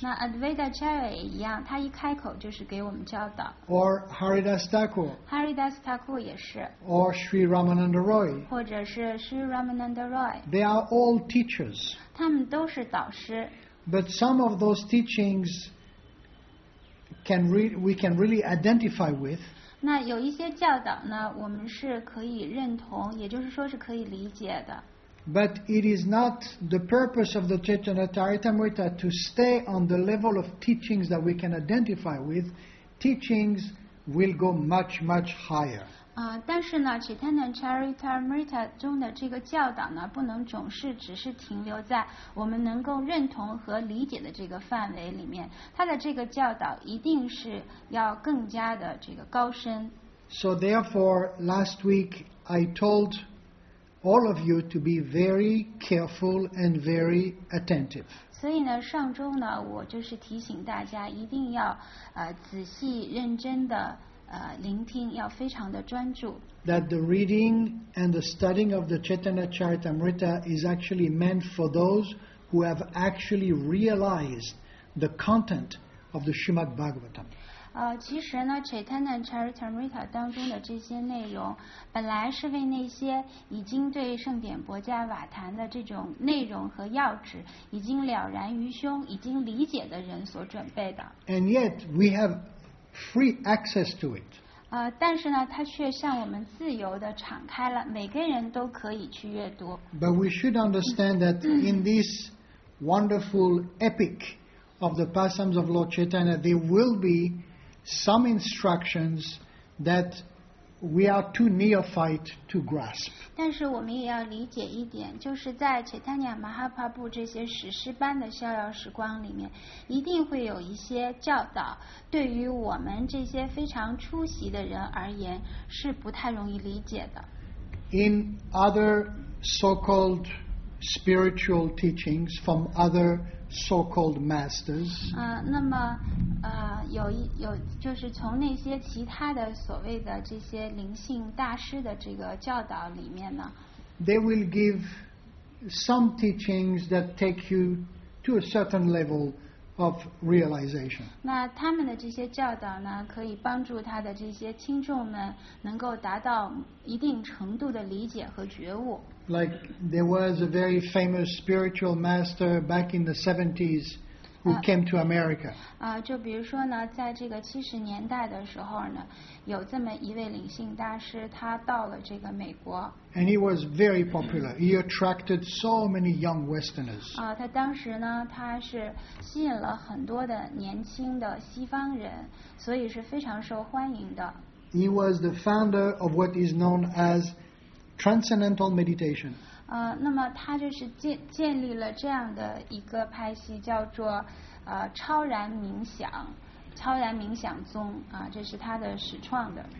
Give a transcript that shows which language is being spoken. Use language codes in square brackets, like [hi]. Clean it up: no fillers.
[zh] 那 Advaita Charya 也一样，他一开口就是给我们教导。 [en] Or Haridas Thakur. [zh] Haridas Thakur 也是。 [en] Or Sri Ramananda Roy. [zh] 或者是 Sri Ramananda Roy. [en] They are all teachers. [zh] 他们都是导师。 [en] But some of those teachings we can really identify with. [zh] 那有一些教导呢，我们是可以认同，也就是说是可以理解的。 [en] But it is not the purpose of the Chaitanya Charitamrita to stay on the level of teachings that we can identify with. Teachings will go much, much higher. [zh] 但是呢 ，Chaitanya Charitamrita 中的这个教导呢，不能总是只是停留在我们能够认同和理解的这个范围里面。它的这个教导一定是要更加的这个高深。 [en] So therefore, last week I told all of you to be very careful and very attentive. [zh] 所以呢，上周呢，我就是提醒大家一定要仔细认真的。聆听要非常的专注。 [en] That the reading and the studying of the Chaitanya Charitamrita is actually meant for those who have actually realized the content of the Srimad Bhagavatam. [zh] 其实呢 ，Chaitanya Charitamrita 当中的这些内容，本来是为那些已经对圣典薄伽瓦坛的这种内容和要旨已经了然于胸、已经理解的人所准备的。 [en] And yet we have. Free access to it. [zh] 但是呢，它却向我们自由的敞开了，每个人都可以去阅读。 [en] But we should understand that in this wonderful epic of the pastimes of Lord Chaitanya, there will be some instructions that we are too neophyte to grasp. [zh] 但是我们也要理解一点，就是在 Chaitanya Mahaprabhu 这些史诗般的逍遥时光里面，一定会有一些教导。对于我们这些非常初习的人而言，是不太容易理解的。 [en] In other so-called spiritual teachings from other so-called masters, [zh] 那么有就是从那些其他的所谓的这些灵性大师的这个教导里面呢 [en] ，they will give some teachings that take you to a certain level. Of realization. [zh] 那他们的这些教导呢，可以帮助他的这些听众们能够达到一定程度的理解和觉悟。 [en] Like there was a very famous spiritual master back in the 70s who came to America. [zh] 就比如说呢，在这个七十年代的时候呢，有这么一位灵性大师，他到了这个美国。 [en] And he was very popular. He attracted so many young Westerners. [zh] 他当时呢，他是吸引了很多的年轻的西方人，所以是非常受欢迎的。 [en] He was the founder of what is known as transcendental meditation. [zh] 那么他就是建立了这样的一个派系，叫做超然冥想。超然冥想宗这是他的始创的。